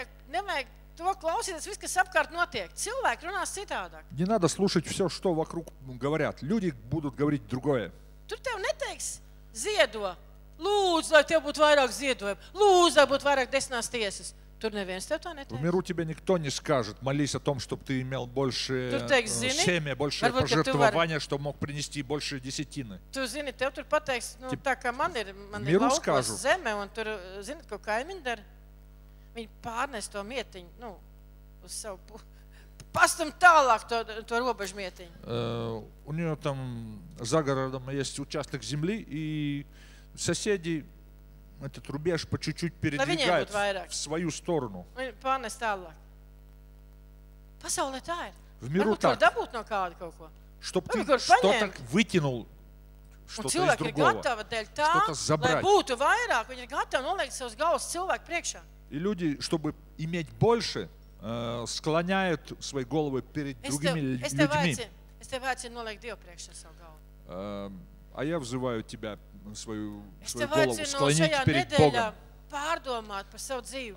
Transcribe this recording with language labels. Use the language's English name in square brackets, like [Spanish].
[Latvian] nevajag to klausīties, viss, kas apkārt notiek. Cilvēki runās citādāk. [Russian] Не надо слушать всё, что вокруг говорят. Люди будут говорить другое. [Latvian] Tur tev neteiks ziedo. Lūdzu, lai tev būtu vairāk ziedojumu. Lūdzu, lai būtu vairāk desmitās tiesas. Tur neviens tev to neteiks. [Russian] В миру тебе никто не скажет, молись о том, чтобы ты имел больше семя, больше пожертвования, чтобы мог принести больше десятины. [Latvian] Tu zini, tev tur pateiks, nu, tā kā man ir laukos zeme, un tur, zini, ko kaimiņi dara? Viņi pārnes to mietiņu, nu, uz savu pastam tālāk to robežu mietiņu. [Russian] У нее там за городом есть участок земли, и соседи этот рубеж по чуть-чуть передвигают в свою сторону. [Latvian] Pārnes tālāk. Pasaulē tā ir. [Russian] В миру так. [Latvian] Varbūt dabūt no kāda kaut ko. [Russian] Чтоб ты что-то вытянул что-то из другого. Что-то забрать. [Latvian] Lai būtu vairāk, viņi ir gatavi nolikt savus galvas cilvēku priekšā. [Russian] И люди, чтобы иметь больше, склоняют свои головы перед другими людьми. [Latvian] Es tev aicinu nolikt Dievu priekšā savu galvu. [Russian] А я взываю тебя, свою голову, склонить перед Богом. Пардомат по свою жизнь.